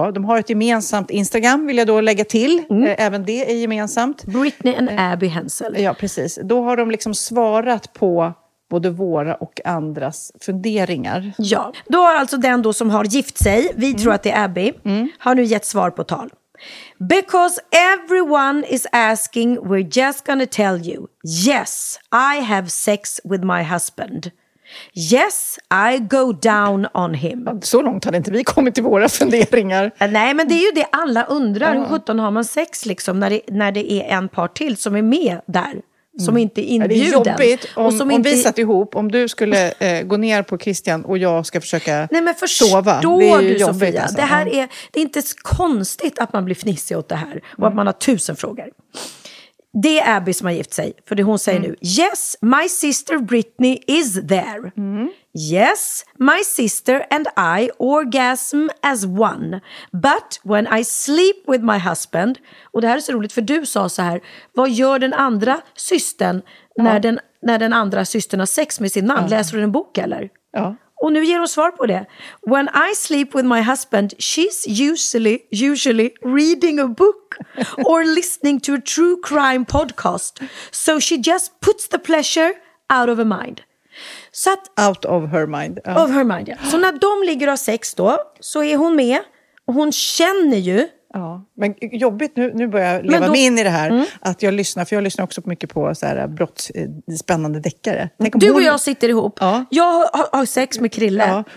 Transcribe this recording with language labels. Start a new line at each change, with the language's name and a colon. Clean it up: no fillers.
Swedish: De har ett gemensamt Instagram, vill jag då lägga till. Mm. Även det är gemensamt.
English: Britney and Abby Hensel.
Swedish: Ja, precis. Då har de liksom svarat på både våra och andras funderingar. Ja, då har alltså den då som har gift sig, vi tror att det är Abby, har nu gett svar på tal.
English: Because everyone is asking, we're just gonna tell you. Yes, I have sex with my husband. Yes, I go down on him.
Swedish: Så långt hade inte vi kommit till våra funderingar. Nej, men det är ju det alla undrar. Hur 17 har man sex liksom, när det är en par till som är med där? Som inte är inbjuden. Det är jobbigt om vi satt ihop. Om du skulle gå ner på Christian och jag ska försöka sova. Nej, men förstår du, jobbigt, Sofia? Alltså. Det är inte konstigt att man blir fnissig åt det här. Och att man har 1000 frågor. Det är Abby som har gift sig. För det hon säger nu.
English: Yes, my sister Britney is there.
Swedish: Mm.
English: Yes, my sister and I orgasm as one. But when I sleep with my husband...
Swedish: Och det här är så roligt, för du sa så här... Vad gör den andra systern när den andra systern har sex med sin man? Ja. Läser du en bok, eller? Ja. Och nu ger hon svar på det.
English: When I sleep with my husband, she's usually reading a book or listening to a true crime podcast. So she just puts the pleasure out of her mind.
Swedish: Så att,
English: out of her mind. Of her mind, ja.
Swedish: Så när de ligger av sex då, så är hon med. Och hon känner ju... Ja, men jobbigt nu börjar jag leva mig in i det här. Att jag lyssnar, för jag lyssnar också mycket på så här brottsspännande deckare. Du och jag sitter ihop. Ja. Jag har sex med Krille. Ja.